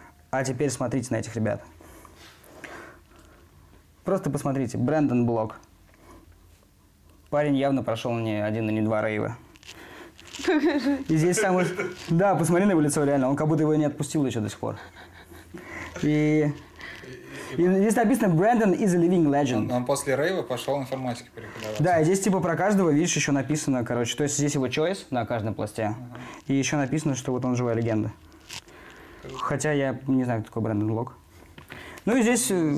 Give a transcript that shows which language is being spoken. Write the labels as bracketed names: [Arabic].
[Russian] А теперь смотрите на этих ребят. Просто посмотрите. Брэндон Блок. Парень явно прошел не один и не два рейва. И здесь самый... Да, посмотри на его лицо, реально. Он как будто его не отпустил еще до сих пор. И здесь написано [English] «Brandon is a living legend». [Russian] Он после рейва пошел информатике преподаваться. Да, и здесь типа про каждого, видишь, еще написано, короче. То есть здесь его choice на каждом пласте. Uh-huh. И еще написано, что вот он живая легенда. Uh-huh. Хотя я не знаю, кто такой Брэндон Блок. Ну и здесь...